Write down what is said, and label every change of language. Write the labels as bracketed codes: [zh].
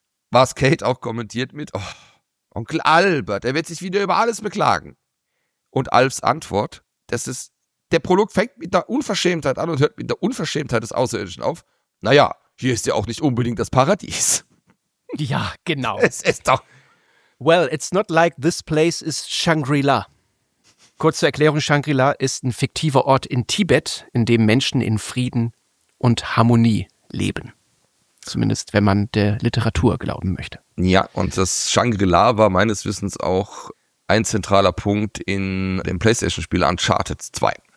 [de] Was Kate auch kommentiert mit, oh, Onkel Albert, er wird sich wieder über alles beklagen. Und Alfs Antwort, das ist, der Prolog fängt mit der Unverschämtheit an und hört mit der Unverschämtheit des Außerirdischen auf. Naja, hier ist ja auch nicht unbedingt das Paradies. Ja, genau. Es ist doch. [en] Well, it's not like this place is Shangri-La. [de] Kurze Erklärung, Shangri-La ist ein fiktiver Ort in Tibet, in dem Menschen in Frieden und Harmonie leben. Zumindest, wenn man der Literatur glauben möchte. Ja, und das Shangri-La war meines Wissens auch ein zentraler Punkt in dem PlayStation-Spiel Uncharted 2.